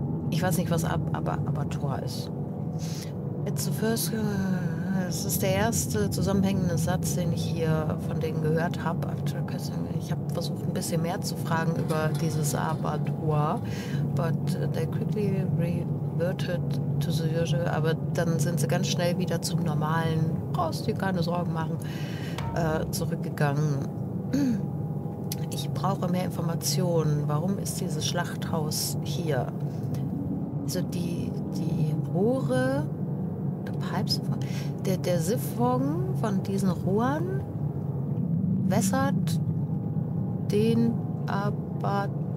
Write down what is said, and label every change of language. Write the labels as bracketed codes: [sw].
[de] Ich weiß nicht, was Abattoir ist. [en] It's the first. [de] Es ist der erste zusammenhängende Satz, den ich hier von denen gehört habe. Ich habe versucht, ein bisschen mehr zu fragen über dieses Abattoir. [en] But they quickly reverted to the usual. [de] Aber dann sind sie ganz schnell wieder zum normalen, brauchst dir keine Sorgen machen, zurückgegangen. Ich brauche mehr Informationen. Warum ist dieses Schlachthaus hier? Also die Rohre, die Pipes, der Siphon von diesen Rohren wässert den Abattoir.